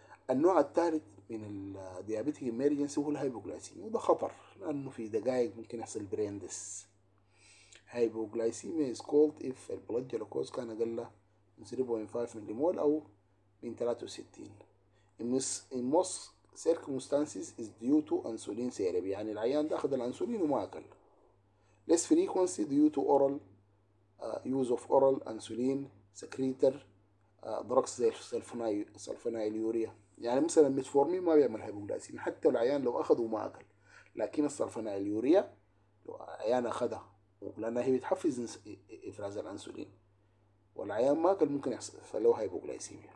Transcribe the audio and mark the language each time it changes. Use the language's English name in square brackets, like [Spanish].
[Arabic] النوع الثالث من الديابيتيك emergency هو الهايبوغلايسيميا، وده خطر لأنه في دقائق ممكن يحصل brain death. هايبوغلايسيميا [English] is called if the blood glucose [Arabic] كان أقل من 0.5 ملي مول أو من 63. [English] In most circumstances is due to insulin therapy، [Arabic] يعني العيان ده أخذ الأنسولين وما أكل. [English] Less frequency due to oral use of oral insulin secretor drugs [Arabic] زي السلفنايل يوريا، يعني مثلا ميتفورمين ما بيعمل هايبوغلايسيميا حتى العيان لو أخذ وما أكل، لكن السلفنايل يوريا لو عيان أخذها لأنها هي بتحفز إفراز الأنسولين والعيان ما أكل ممكن يحصل فلو هايبوغلايسيميا.